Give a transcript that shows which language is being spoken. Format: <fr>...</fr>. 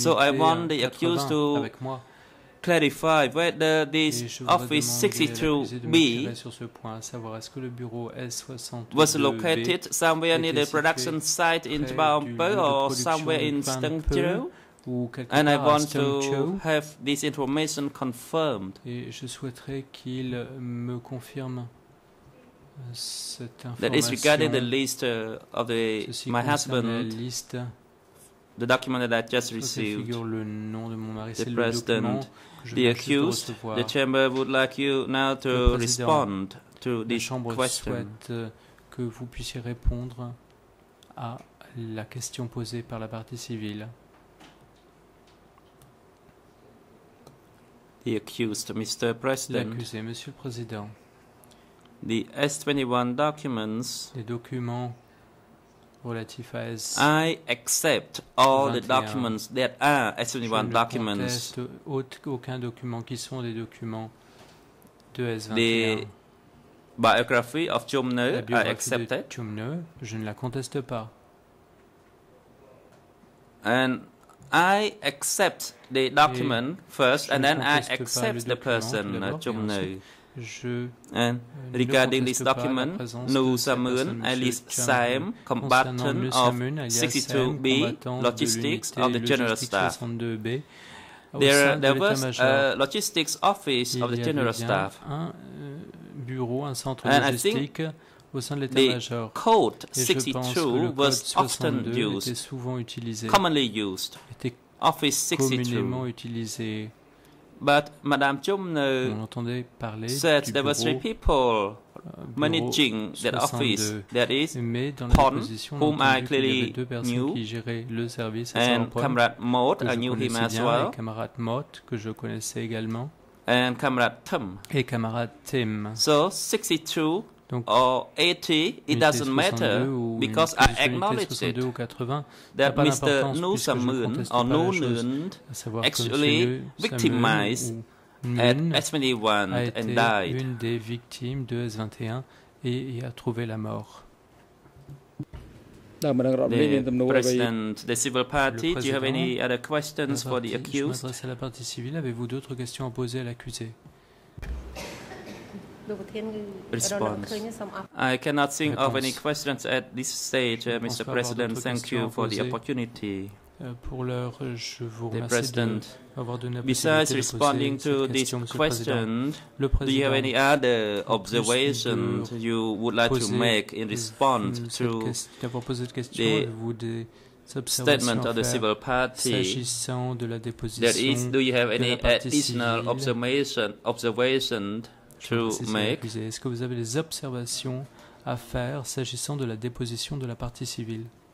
<en>so I want the accused to clarify whether this office 62B was located somewhere near the production site in Chbaon Pe or somewhere in Steng Chieu And I want to have this information confirmed.</en> <fr>Et je souhaiterais qu'il me confirme cette information.</fr> <en>That is regarding the list of the my husband. The document that I just received.</en> <fr>Ça figure le nom de mon mari,</fr> <en>the president, the accused. The chamber would like you now to respond to this question.</en> <fr>La chambre souhaite que vous puissiez répondre à la question posée par la partie civile.</fr> <en>The accused, Mr. President.</en> <fr>L'accusé, Monsieur le Président.</fr> <en>The S21 documents.</en> <fr>Les documents relatifs à S21.</fr> <en>I accept all the documents that are S21 documents.</en> <fr>Je ne conteste aucun document qui sont des documents de S21.</fr> <en>The biography of Chum Neou, I accept it.</en> <fr>Chum Neou, je ne la conteste pas.</fr> <en>And I accept the document first, and then I accept the person, Chum Neou. And regarding this document, Neou Samun, alias Sam, combatant of 62B, logistics of the General Staff. There was a logistics office of the General Staff.</en> <fr>Bureau, un centre logistique au sein de l'état-major.</fr> <en>The code 62 was used, commonly used, office 62. But Madame Chum Neou said there were three people managing that office, that is, Pon, whom I clearly knew, and Comrade Mott, I knew him as well,</en> <fr>et Camarade Mott, que je connaissais également.</fr> <en>And Comrade Tim.</en> <fr>Et Camarade Tim.</fr> <en>So 62 donc, or 80, it doesn't matter, because I acknowledge it, 80, that Mr. Neou Samun or Neou Nguyen actually victimized at S21 a and died.</en> <fr>Une des victimes de S21 et y a trouvé la mort.</fr> <en>The President, the civil party, do you have any other questions for the accused?</en> <fr>Je m'adresse à la partie civile. Avez-vous d'autres questions à poser à l'accusé?</fr> <en>Response. I cannot think of any questions at this stage, Mr. President. Thank you for the opportunity.</en> <fr>Pour l'heure, je vous remercie d'avoir donné la possibilité.</fr> <en>Besides responding to this question, do you have any other observations you would like to make in response to statement of the civil party?</en> <fr>S'agissant de la déposition,</fr> <en>that is, do you have any additional observations to make?</en> <fr>Est-ce que vous avez des observations à faire s'agissant de la déposition de la partie civile?</fr>